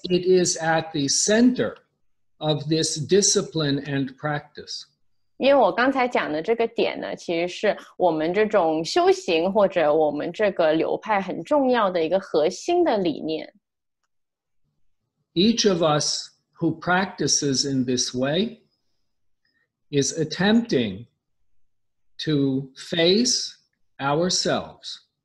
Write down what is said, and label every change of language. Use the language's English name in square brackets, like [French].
[English] it is at the center of this discipline and practice. [Chinese] 因为我刚才讲的这个点呢，其实是我们这种修行或者我们这个流派很重要的一个核心的理念。 [English] Each of us who practices in this way is attempting to face ourselves.